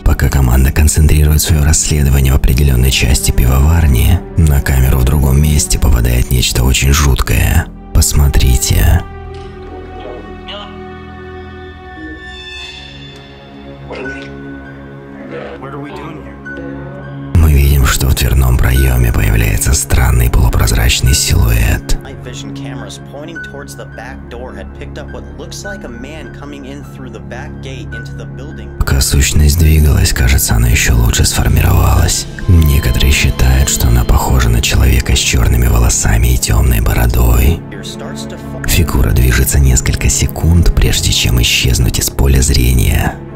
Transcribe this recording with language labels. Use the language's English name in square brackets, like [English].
[Russian] Пока команда концентрирует свое расследование в определенной части пивоварни, на камеру в другом месте попадает нечто очень жуткое. Посмотрите. Мы видим, что в дверном проеме появляется странный полупрозрачный силуэт. [English] Vision cameras pointing towards the back door had picked up what looks like a man coming in through the back gate into the building. [Russian] Пока сущность двигалась, кажется, она еще лучше сформировалась. Некоторые считают, что она похожа на человека с черными волосами и темной бородой. Фигура движется несколько секунд, прежде чем исчезнуть из поля зрения.